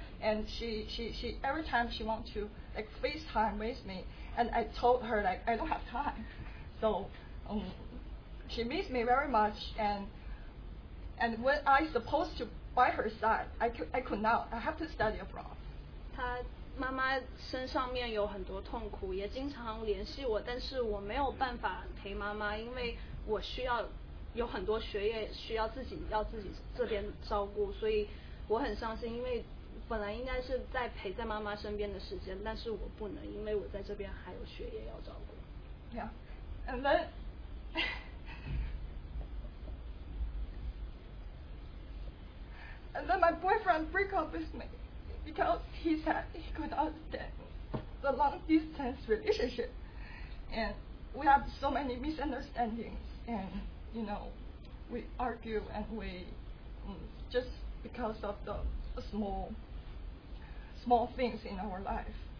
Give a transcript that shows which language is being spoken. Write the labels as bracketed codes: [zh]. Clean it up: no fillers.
[en] and she every time she wants to like FaceTime with me, and I told her like I don't have time. So she missed me very much, and when I supposed to by her side, I could not. I have to study abroad. [zh] 妈妈身上面有很多痛苦，也经常联系我，但是我没有办法陪妈妈，因为我需要有很多学业需要自己这边照顾，所以我很伤心，因为本来应该是在陪在妈妈身边的时间，但是我不能，因为我在这边还有学业要照顾。 [en] Yeah, and then my boyfriend break up with me. Because he said he could understand the long distance relationship, and we have so many misunderstandings, and you know, we argue and we just because of the small things in our life.